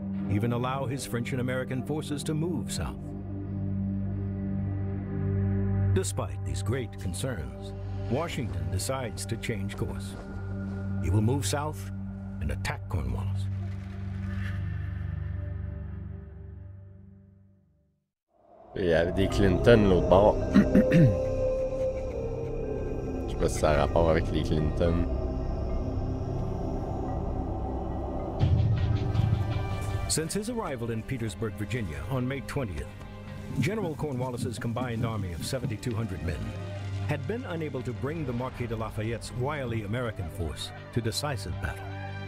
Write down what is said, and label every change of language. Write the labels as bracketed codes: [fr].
[en] even allow his French and American forces to move south. Despite these great concerns, Washington decides to change course. He will move south and attack Cornwallis. [fr] Il y avait des Clinton l'autre bord. Je sais pas si ça a rapport avec les Clinton. [en] Since his arrival in Petersburg, Virginia, on May 20th, General Cornwallis's combined army of 7,200 men had been unable to bring the Marquis de Lafayette's wily American force to decisive battle.